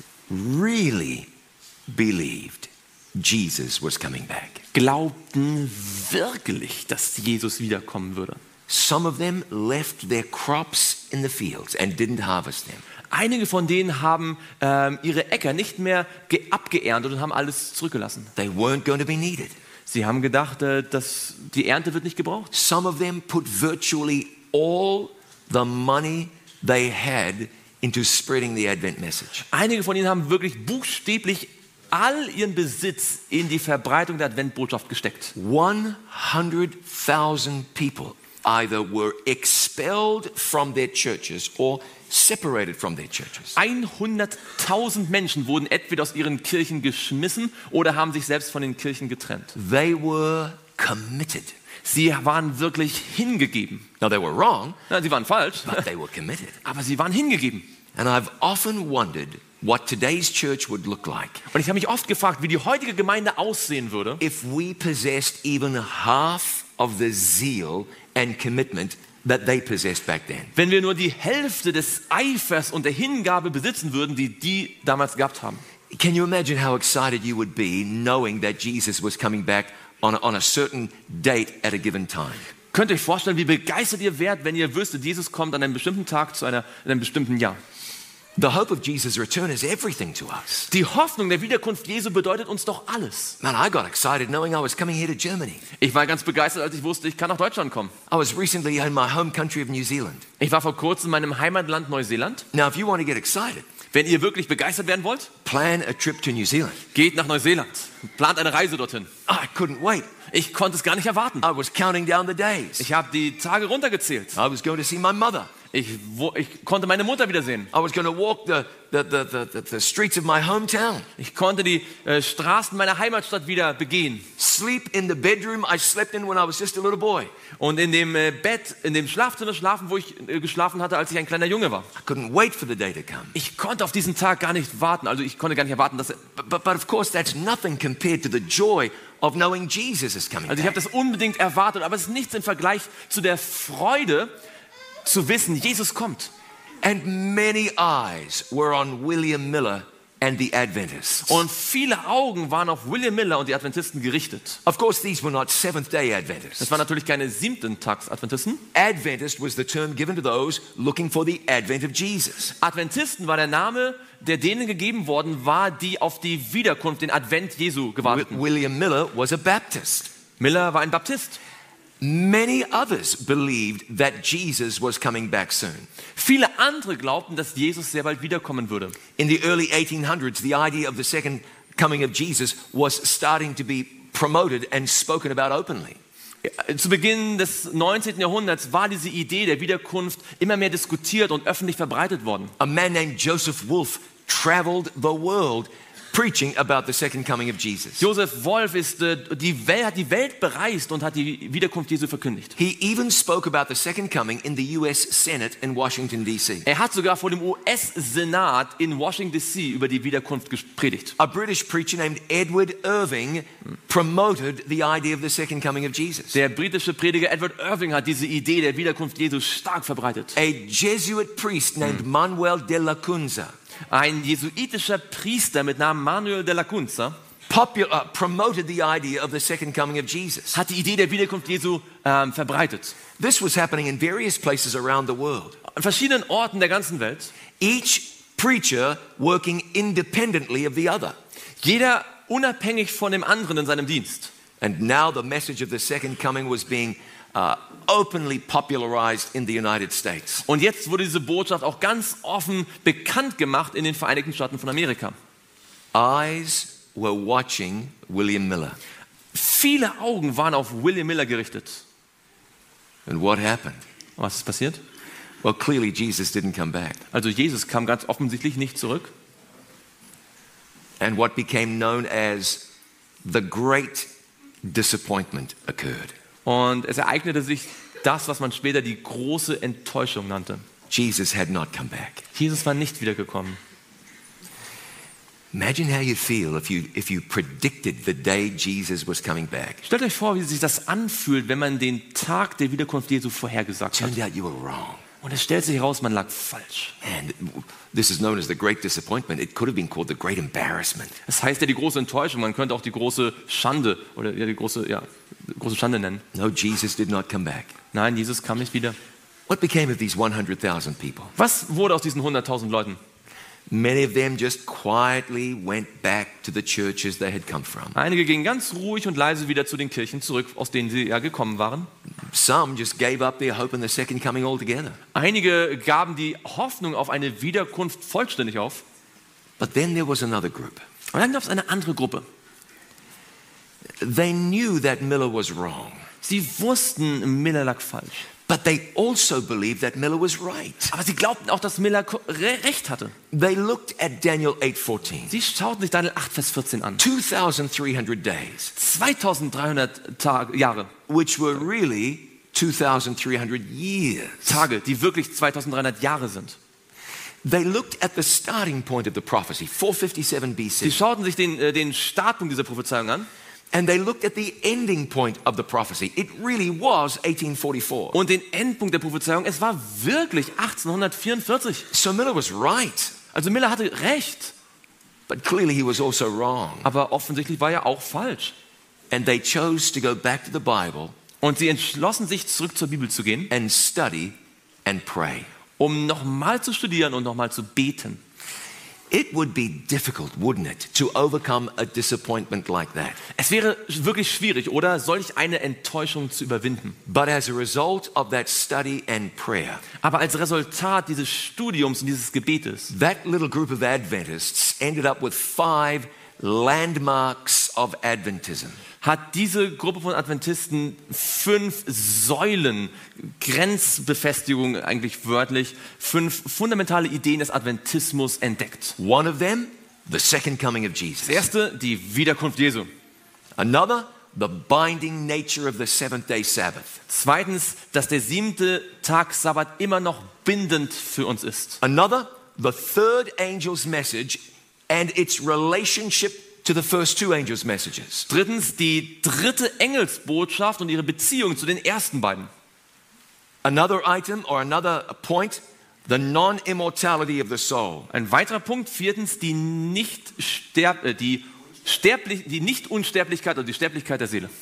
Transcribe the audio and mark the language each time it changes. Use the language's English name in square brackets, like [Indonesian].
[English] really believed Jesus was coming back. [German] Glaubten wirklich, dass Jesus wiederkommen würde. [English] Some of them left their crops in the fields and didn't harvest them. [German] Einige von denen haben ihre Äcker nicht mehr abgeerntet und haben alles zurückgelassen. [English] They weren't going to be needed. [German] Sie haben gedacht, dass die Ernte wird nicht gebraucht. [English] Some of them put virtually all the money they had into spreading the Advent message. [German] Einige von ihnen haben wirklich buchstäblich all ihren Besitz in die Verbreitung der Adventbotschaft gesteckt. [English] 100,000 people either were expelled from their churches or separated from their churches. [German] 100,000 Menschen wurden entweder aus ihren Kirchen geschmissen oder haben sich selbst von den Kirchen getrennt. [English] They were committed. [German] Sie waren wirklich hingegeben. [English] Now they were wrong. [German] Nein, sie waren falsch. [English] But they were committed. [German] Aber sie waren hingegeben. [English] And I've often wondered what today's church would look like. [German] Und ich habe mich oft gefragt, wie die heutige Gemeinde aussehen würde. [English] If we possessed even half of the zeal and commitment that they possessed back then. [German] Wenn wir nur die Hälfte des Eifers und der Hingabe besitzen würden, die die damals gehabt haben. [English] Can you imagine how excited you would be knowing that Jesus was coming back on a certain date at a given time? [German] Könnt ihr euch vorstellen, wie begeistert ihr wärt, wenn ihr wüsstet, Jesus kommt an einem bestimmten Tag zu einem bestimmten Jahr? [English] The hope of Jesus' return is everything to us. [German] Die Hoffnung der Wiederkunft Jesu bedeutet uns doch alles. [English] Man, I got excited knowing I was coming here to Germany. [German] Ich war ganz begeistert, als ich wusste, ich kann nach Deutschland kommen. [English] I was recently in my home country of New Zealand. [German] Ich war vor kurzem in meinem Heimatland Neuseeland. [English] Now, if you want to get excited, [German] wenn ihr wirklich begeistert werden wollt, [English] plan a trip to New Zealand. [German] Geht nach Neuseeland. Plant eine Reise dorthin. [English] I couldn't wait. [German] Ich konnte es gar nicht erwarten. [English] I was counting down the days. [German] Ich habe die Tage runtergezählt. [English] I was going to see my mother. [German] Ich konnte meine Mutter wiedersehen. [English] I was going to walk the streets of my hometown. [German] Ich konnte die Straßen meiner Heimatstadt wieder begehen. [English] Sleep in the bedroom I slept in when I was just a little boy. [German] Und in dem Bett, in dem Schlafzimmer schlafen, wo ich geschlafen hatte, als ich ein kleiner Junge war. [English] I couldn't wait for the day to come. [German] Ich konnte auf diesen Tag gar nicht warten. Also ich konnte gar nicht erwarten, dass. [English] But of course that's nothing compared to the joy of knowing Jesus is coming. [German] Also ich habe das unbedingt erwartet, aber es ist nichts im Vergleich zu der Freude. Zu wissen, Jesus kommt. [English] And many eyes were on William Miller and the Adventists. [German] Und viele Augen waren auf William Miller und die Adventisten gerichtet. [English] Of course, these were not Seventh-day Adventists. [German] Das waren natürlich keine Siebenten-Tags-Adventisten. [English] Adventist was the term given to those looking for the advent of Jesus. [German] Adventisten war der Name, der denen gegeben worden war, die auf die Wiederkunft, den Advent Jesu gewarteten. [English] William Miller was a Baptist. [German] Miller war ein Baptist. [English] Many others believed that Jesus was coming back soon. [German] Viele andere glaubten, dass Jesus sehr bald wiederkommen würde. [English] In the early 1800s, the idea of the second coming of Jesus was starting to be promoted and spoken about openly. [German] Zu Beginn des 19. Jahrhunderts war diese Idee der Wiederkunft immer mehr diskutiert und öffentlich verbreitet worden. [English] A man named Joseph Wolff traveled the world preaching about the second coming of Jesus. [German] Joseph Wolff ist hat die Welt bereist und hat die Wiederkunft Jesu verkündigt. [English] He even spoke about the second coming in the US Senate in Washington DC. [German] Er hat sogar vor dem US Senat in Washington DC über die Wiederkunft gepredigt. [English] A British preacher named Edward Irving promoted the idea of the second coming of Jesus. [German] Der britische Prediger Edward Irving hat diese Idee der Wiederkunft Jesu stark verbreitet. [English] A Jesuit priest named Manuel de la Cunza. [German] Ein jesuitischer Priester mit Namen Manuel de la Cunza [English] promoted the idea of the second coming of Jesus. [German] Hat die Idee der Wiederkunft Jesu verbreitet. [English] This was happening in various places around the world. [German] An verschiedenen Orten der ganzen Welt. [English] Each preacher working independently of the other. [German] Jeder unabhängig von dem anderen in seinem Dienst. [English] And now the message of the second coming was being openly popularized in the United States. [German] Und jetzt wurde diese Botschaft auch ganz offen bekannt gemacht in den Vereinigten Staaten von Amerika. [English] Eyes were watching William Miller. [German] Viele Augen waren auf William Miller gerichtet. [English] And what happened? [German] Was ist passiert? [English] Well, clearly Jesus didn't come back. [German] Also Jesus kam ganz offensichtlich nicht zurück. [English] And what became known as the great disappointment occurred. [German] Und es ereignete sich das, was man später die große Enttäuschung nannte. [English] Jesus had not come back. [German] Jesus war nicht wiedergekommen. [English] Imagine how you feel if you predicted the day Jesus was coming back. [German] Stellt euch vor, wie sich das anfühlt, wenn man den Tag der Wiederkunft Jesu vorhergesagt hat. [English] Turned out you were wrong. [German] Und es stellt sich heraus, man lag falsch. [English] And this is known as the great disappointment. It could have been called the great embarrassment. [German] Das heißt ja die große Enttäuschung. Man könnte auch die große Schande oder ja die große ja große Schande nennen. [English] No, Jesus did not come back. [German] Nein, Jesus kam nicht wieder. [English] What became of these 100,000 people? [German] Was wurde aus diesen 100,000 Leuten? [English] Many of them just quietly went back to the churches they had come from. [German] Einige gingen ganz ruhig und leise wieder zu den Kirchen zurück, aus denen sie ja gekommen waren. [English] Some just gave up their hope in the second coming altogether. [German] Einige gaben die Hoffnung auf eine Wiederkunft vollständig auf. [English] But then there was another group. [German] Und dann gab es eine andere Gruppe. [English] They knew that Miller was wrong. [German] Sie wussten, Miller lag falsch. [English] But they also believed that Miller was right. [German] Aber sie glaubten auch, dass Miller recht hatte. [English] They looked at Daniel 8:14. [German] Sie schauten sich Daniel 8, Vers 14 an. [English] 2300 days. [German] 2300 Jahre. [English] Which were really 2300 years. [German] Tage, die wirklich 2300 Jahre sind. [English] They looked at the starting point of the prophecy, 457 BC. [German] Sie schauten sich den Startpunkt dieser Prophezeiung an. [English] And they looked at the ending point of the prophecy. It really was 1844. [German] Und den Endpunkt der Prophezeiung, es war wirklich 1844. [English] So Miller was right. [German] Also Miller hatte recht. [English] But clearly he was also wrong. [German] Aber offensichtlich war er auch falsch. [English] And they chose to go back to the Bible. [German] Und sie entschlossen sich, zurück zur Bibel zu gehen. [English] And study and pray. [German] Um nochmal zu studieren und nochmal zu beten. [English] It would be difficult, wouldn't it, to overcome a disappointment like that? [German] Es wäre wirklich schwierig, oder, solch eine Enttäuschung zu überwinden. [English] But as a result of that study and prayer, [German] aber als Resultat dieses Studiums und dieses Gebetes, [English] that little group of Adventists ended up with 5 landmarks of Adventism. [German] Hat diese Gruppe von Adventisten 5 Säulen, Grenzbefestigungen eigentlich wörtlich, 5 fundamentale Ideen des Adventismus entdeckt. [English] One of them, the second coming of Jesus. [German] Erste, die Wiederkunft Jesu. [English] Another, the binding nature of the seventh day Sabbath. [German] Zweitens, dass der siebte Tag Sabbat immer noch bindend für uns ist. [English] Another, the third angel's message and its relationship to the first 2 angels' messages. [German] Drittens, die dritte Engelsbotschaft und ihre Beziehung zu den ersten beiden. [English] Another item or another point, the non-immortality of the soul. [German] Ein weiterer Punkt, viertens, die Nicht-Unsterblichkeit oder die Sterblichkeit der Seele.